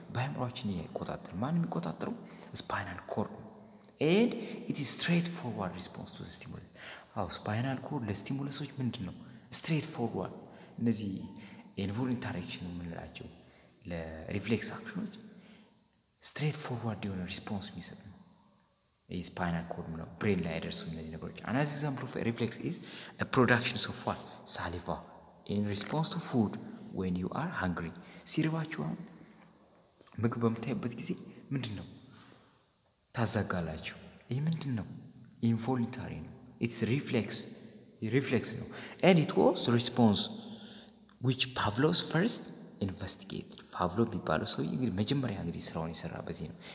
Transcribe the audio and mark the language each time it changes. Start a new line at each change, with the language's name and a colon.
Amharic: በአእምሯችን የሚቆጣጠር ማንም የሚቆጣጠረው
English: spinal cord and it is straightforward response to the stimulus.
Amharic: አው spinal cord ለስቲሙለሶች ምንድነው straightforward? እነዚህ involuntary action የምንላቸው ለreflex actionዎች straightforward የሆነ response የሚሰጥ ነው። ይህ spinal cord ነው brain ላይ ያደርሱ እነዚህ ነገሮች።
English: Another example of a reflex is a production of what? Saliva. In response to food when you are hungry.
Amharic: ሲርባችሁ ምግብ በምታዩበት ጊዜ ምንድነው ታዘጋላችሁ? ይህ ምንድነው? Involuntary ነው.
English: It's reflex. Reflex ነው. And it was response which Pavlov's first investigated.
Amharic: Pavlov ቢባለው ሰው እንግዲህ መጀመሪያ እንግዲህ ስራውን የሰራ በዚህ ነው.